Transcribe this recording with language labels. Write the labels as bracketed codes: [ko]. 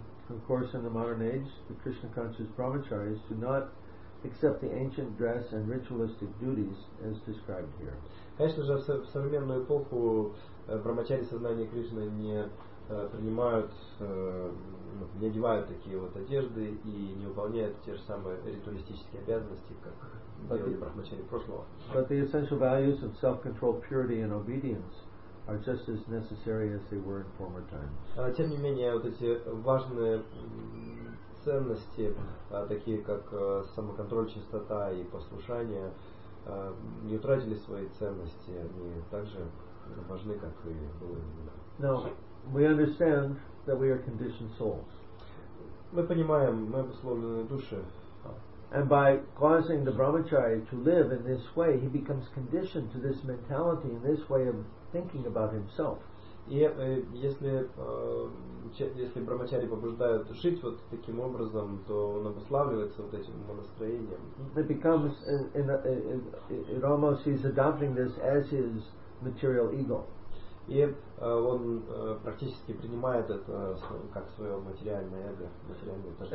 [en] Of course, in the modern age, the Krishna conscious brahmacharis do not accept the ancient dress and ritualistic duties as described here. [ru] Конечно же, в современную эпоху брахмачари сознания Кришны не принимают, не одевают такие вот одежды и не выполняют те же самые ритуалистические обязанности, как делали брахмачари прошлого. [en] But the essential values of self-control, purity, and obedience are just as necessary as they were in former times. [ru] Тем не менее, вот эти важные ценности, такие как самоконтроль, чистота и послушание, не утратили свои ценности, они также важны, как и были. [en] Now, we understand that we are conditioned souls. [ru] Мы понимаем, мы обусловленные души. [en] And by causing the brahmachari to live in this way, he becomes conditioned to this mentality and this way of thinking about himself. [ru] И если брахмачари побуждают жить вот таким образом, то он обуславливается вот этим настроением. [en] It becomes, it almost, he's adopting this as his material ego. [ru] И он практически принимает это как свое материальное эго, материальное тоже.